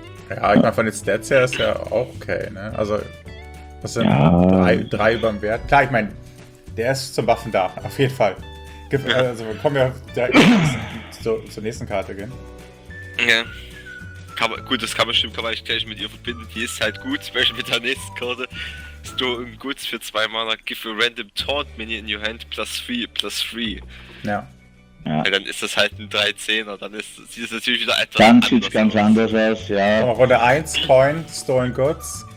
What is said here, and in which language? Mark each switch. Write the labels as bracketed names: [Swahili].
[German] Ja, ich meine, von den Stats her ist er auch okay, ne? Also, das sind 3 über dem Wert. Klar, ich meine, der ist zum Buffen da, auf jeden Fall. Also, wir kommen ja direkt zur nächsten Karte gehen. Ja. Kann man eigentlich mit ihr verbinden. Die ist halt gut, zum Beispiel mit der nächsten Karte. Stolen Goods für 2 Mana. [English] Give a random Taunt Mini in your hand, +3/+3. [German] Ja. Ja. Weil dann ist das halt ein 3-10er, dann sieht es natürlich wieder etwas dann anders aus. Dann sieht es ganz anders aus, ja. Mal, Runde 1, Coin, Stolen Goods.